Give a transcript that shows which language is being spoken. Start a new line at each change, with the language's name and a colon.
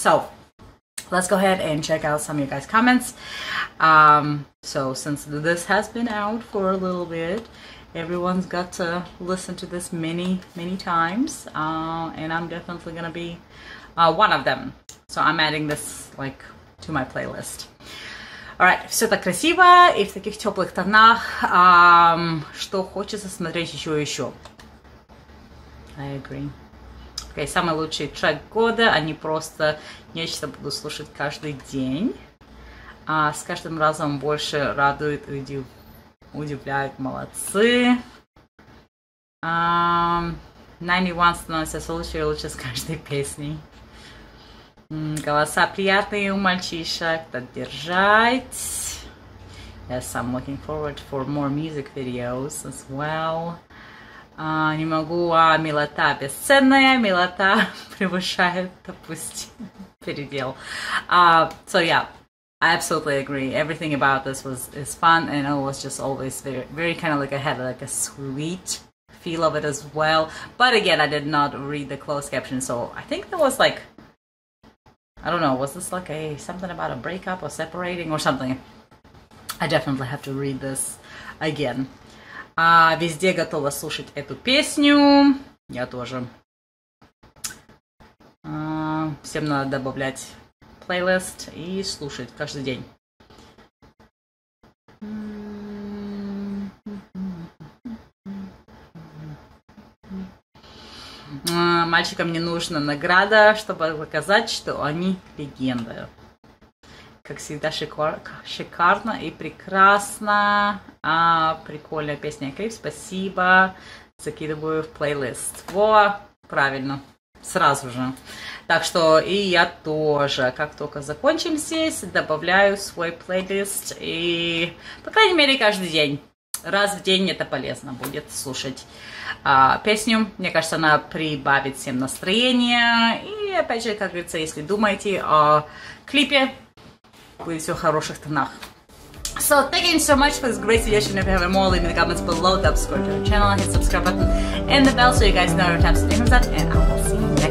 English: So let's go ahead and check out some of you guys' comments. So since this has been out for a little bit, everyone's got to listen to this many, many times, and I'm definitely gonna be one of them. So I'm adding this, like, to my playlist.
Russian: Alright, все так красиво и в таких теплых тонах, что хочется смотреть еще и еще.
English: I agree.
Russian: Okay, самый лучший трек года, они просто нечто буду слушать каждый день. С каждым разом больше радует и удивляет. Молодцы. 91 становится все лучше и лучше с каждой песней. Голоса приятные у мальчишек, так держать.
English: Yes, I'm looking forward for more music videos as well.
Russian: Не могу, милота бесценная, милота превышает, допустим, передел.
English: So yeah, I absolutely agree. Everything about this is fun, and it was just always very, very kind of like I had like a sweet feel of it as well. But again, I did not read the closed caption, so I think there was like, I don't know, was this like a something about a breakup or separating or something? I definitely have to read this again.
Russian: Везде готова слушать эту песню. Я тоже. Всем надо добавлять плейлист и слушать каждый день. Мальчикам не нужна награда, чтобы показать, что они легенда. Как всегда, шикарно и прекрасно. Прикольная песня. Клип, спасибо. Закидываю в плейлист. Во, правильно. Сразу же. Так что и я тоже. Как только закончим здесь, добавляю свой плейлист. И, по крайней мере, каждый день. Раз в день это полезно будет слушать песню. Мне кажется, она прибавит всем настроение. И, опять же, как говорится, если думаете о клипе, будет все в хороших тонах.
English: So thank you so much for this great suggestion. If you have more, leave me the comments below. Subscribe to our channel, hit subscribe button and the bell so you guys know every time something comes out. And I will see you.